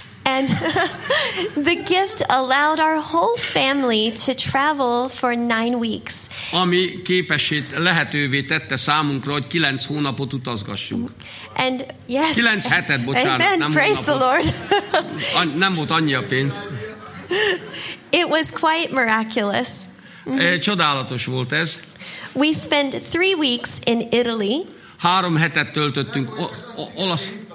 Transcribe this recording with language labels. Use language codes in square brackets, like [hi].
[en] And the gift allowed our whole family to travel for 9 weeks. [hu] Ami képesét lehetővé tette számunkra, hogy 9 hónapot utazgassunk. [en] And yes. [hu] 9 hetet, bocsánat, amen, nem [en] praise the Lord. [hu] Nem volt annyi a pénz. [en] It was quite miraculous. [hu] Csodálatos volt ez. [en] We spent 3 weeks in Italy. [hu] 3 hetet töltöttünk olasz.